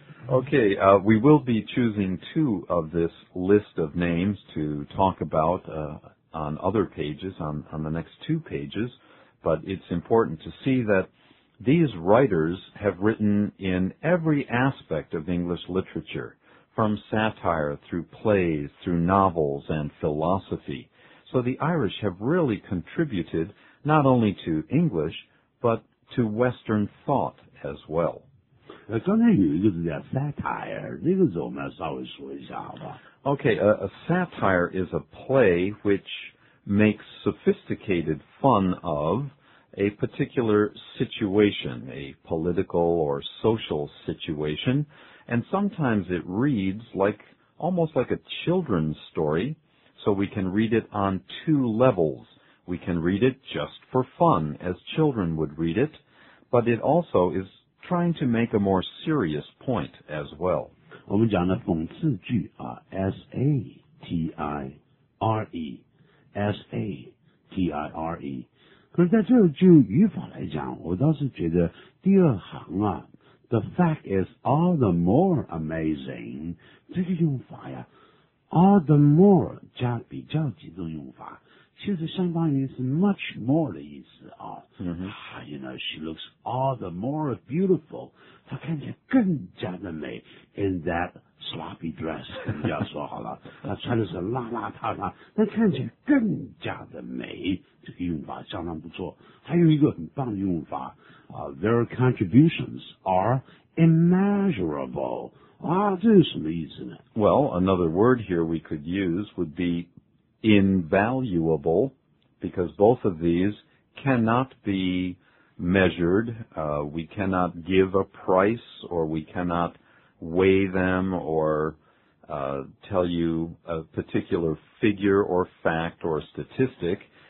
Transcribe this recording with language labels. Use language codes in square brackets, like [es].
[en] Okay, we will be choosing two of this list of names to talk about on other pages, on the next two pages, but it's important to see that these writers have written in every aspect of English literature, from satire through plays, through novels, and philosophy. So the Irish have really contributed not only to English, but to Western thought as well. [zh] 刚才有一个字叫 satire, 这个字我们要稍微说一下好吧。 [en] Okay, a satire is a play which makes sophisticated fun of a particular situation, a political or social situation, and sometimes it reads like, almost like a children's story, so we can read it on two levels. We can read it just for fun, as children would read it, but it also is trying to make a more serious point as well. [zh] 我们讲的讽刺句啊 ,satire,satire, 可是在这个句语法来讲我倒是觉得第二行啊 , [en] the fact is all the more amazing, [zh] 这个用法呀 ,all the more 加比较级的用法其实相当于是 much more 的意思啊、 [en] you know, she looks all the more beautiful, [zh] 她看起来更加的美 [en] in that sloppy dress, [zh] 你要说好了她穿的是邋邋遢遢但看起来更加的美这个用法相当不错还有一个很棒的用法、 [en] their contributions are immeasurable, [zh] 啊这是什么意思呢 [en] Well, another word here we could use would beinvaluable, because both of these cannot be measured. We cannot give a price, or we cannot weigh them, or tell you a particular figure or fact or statistic.